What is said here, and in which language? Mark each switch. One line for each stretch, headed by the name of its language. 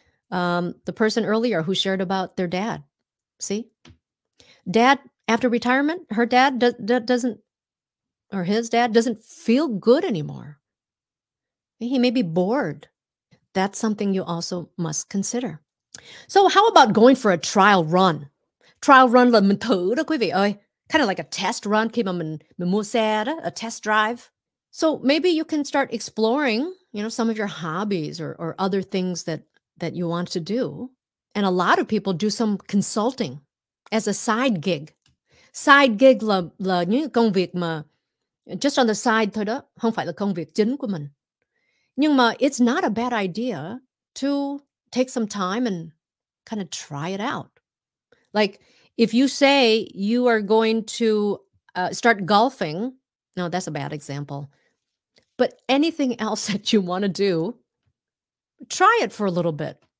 English: The person earlier who shared about their dad, see, dad after retirement, her dad doesn't feel good anymore. He may be bored. That's something you also must consider. So how about going for a trial run?
Vietnamese: trial run là mình thử đó quý vị ơi.
English: Kind of like a test run
Vietnamese: khi mà mình mua xe đó,
English: a test drive. So maybe you can start exploring, you know, some of your hobbies or other things that you want to do. And a lot of people do some consulting as a side gig.
Vietnamese: Side gig là những công việc mà
English: just on the side
Vietnamese: thôi đó, không phải là công việc chính của mình. Nhưng mà
English: it's not a bad idea to take some time and kind of try it out. Like if you say you are going to start golfing, no, that's a bad example. But anything else that you want to do, try it for a little bit.